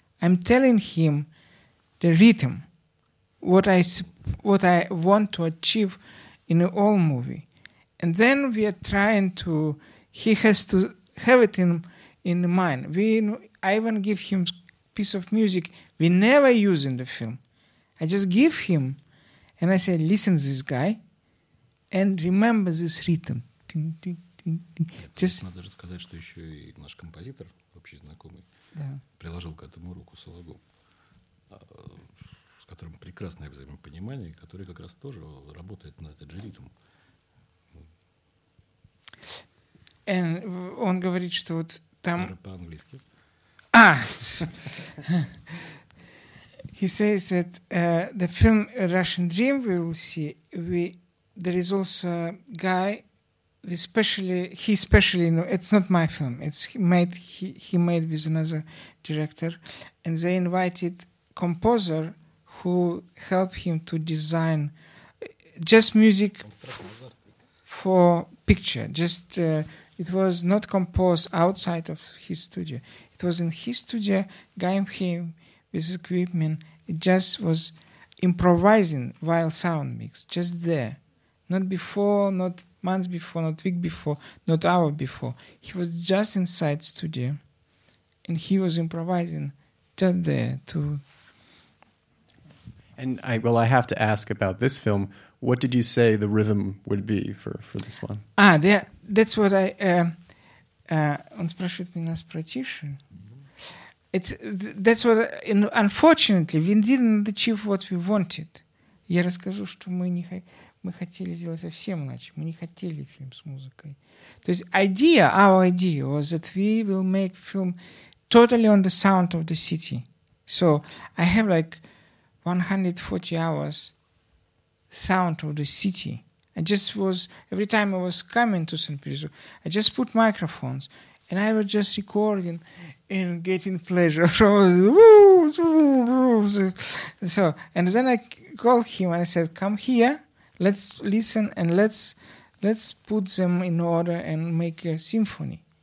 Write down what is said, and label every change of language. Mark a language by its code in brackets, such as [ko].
[en] I'm telling him the rhythm, what I want to achieve in all movie, and then we are trying to. He has to have it in mind. I even give him piece of music we never use in the film. I just give him, and I say, listen to this guy, and remember this rhythm. Ding, ding, ding, ding. Just. [ru] Надо же сказать, что еще и наш композитор вообще знакомый приложил к этому руку Сологуб, с которым прекрасное взаимопонимание, который как раз тоже работает на этот же ритм. And он говорит, что вот там. По-английски. [en] He says that the film Russian Dream we will see. There is also a guy, especially. You know, it's not my film. It's he made with another director, and they invited composer who helped him to design just music for picture. Just it was not composed outside of his studio. It was in his studio, guy him with equipment. It just was improvising while sound mix, just there. Not before, not months before, not week before, not hour before. He was just inside studio, and he was improvising just there too. And I have to ask about this film. What did you say the rhythm would be for this one? Ah, yeah, that's what I. [ru] Он спрашивает меня про Тишу. [en] That's what. Unfortunately, we didn't achieve what we wanted. [ru] Я расскажу, что мы хотели сделать совсем иначе. Мы не хотели фильм с музыкой. То есть [en] our idea was that we will make film totally on the sound of the city. So I have like 140 hours sound of the city. I just was, every time I was coming to St. Petersburg, I just put microphones and I was just recording and getting pleasure from so, and then I called him and I said, come here, let's listen and let's put them in order and make a symphony.